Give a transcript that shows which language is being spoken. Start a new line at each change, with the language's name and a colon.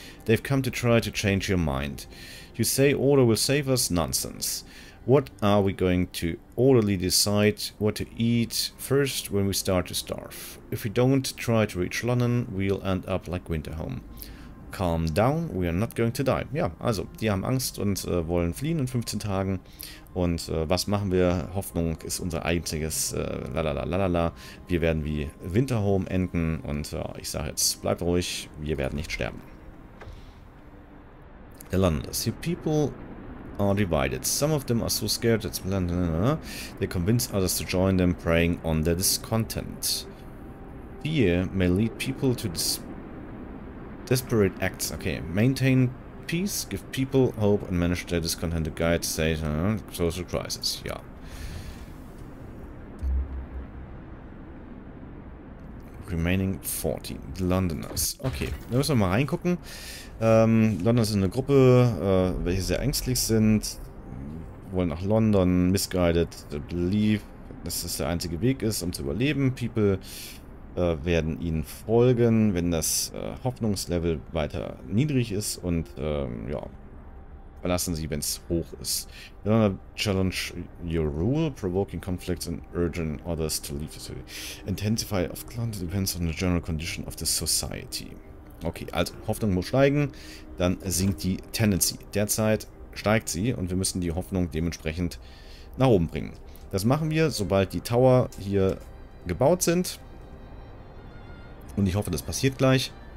English: They've come to try to change your mind. You say order will save us? Nonsense. What are we going to orderly decide what to eat first when we start to starve? If we don't try to reach London, we'll end up like Winterhome. Calm down, we are not going to die.
German: Ja, also, die haben Angst und wollen fliehen in 15 Tagen. Und was machen wir? Hoffnung ist unser einziges lalalalala. Wir werden wie Winterhome enden und ich sage jetzt, bleibt ruhig, wir werden nicht sterben.
English: The Londoners, you people are divided. Some of them are so scared that they convince others to join them, preying on their discontent. Fear may lead people to Desperate Acts. Okay. Maintain peace, give people hope and manage their discontent. Guide Satan. Social crisis. Ja. Remaining 40.
German: Londoners. Okay, da müssen wir mal reingucken. Londoners sind eine Gruppe, welche sehr ängstlich sind. Wollen nach London.
English: Misguided. Believe,
German: dass das der einzige Weg ist, um zu überleben. People werden ihnen folgen, wenn das Hoffnungslevel weiter niedrig ist. Und ja, verlassen sie, wenn es hoch ist.
English: Londoner challenge your rule, provoking conflicts and urging others to leave the city. Intensify of London depends on the general condition of the society.
German: Okay, also Hoffnung muss steigen, dann sinkt die Tendency. Derzeit steigt sie und wir müssen die Hoffnung dementsprechend nach oben bringen. Das machen wir, sobald die Tower hier gebaut sind. Und ich hoffe, das passiert gleich.